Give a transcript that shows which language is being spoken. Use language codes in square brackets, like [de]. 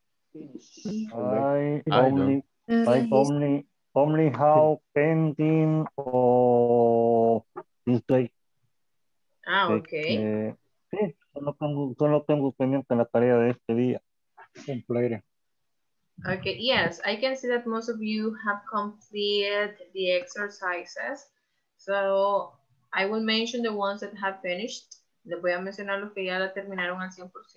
[en] I only have pending or this day. Ah, okay. [es] Solo tengo pendiente la tarea de este día. Completa. [en] Okay, yes, I can see that most of you have completed the exercises. So, I will mention the ones that have finished. [es] Les voy a mencionar los que ya la terminaron al 100%.